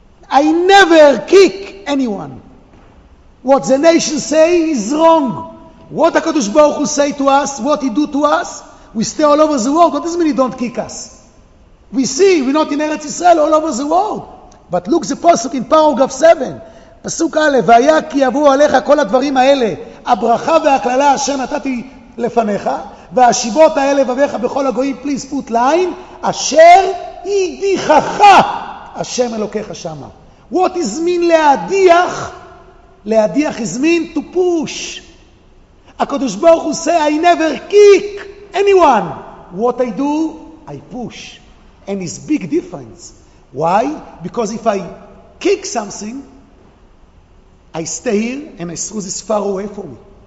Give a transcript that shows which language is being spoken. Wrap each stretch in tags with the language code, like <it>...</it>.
<en>I never kick anyone. What the nation say is wrong. What HaKadosh Baruch Hu say to us, what he do to us, we stay all over the world. What does it mean he don't kick us? We see, we're not in Eretz Yisrael, all over the world. But look the pasuk in paragraph 7.</en> <he>Pasuk Aleph, והיה כי יבואו עליך כל הדברים האלה, הברכה והכללה אשר נתתי לפניך, והשיבות האלה לבביך בכל הגויים,</he> <en>please put line,</en> <he>אשר ידיחך. השם אלוקיך שמה.</he> <en>What is mean להדיח? להדיח is mean to push. הקדוש ברוך הוא say, I never kick anyone. What I do? I push. And it's big difference. Why? Because if I kick something, I stay here and I throw this far away from me.</en>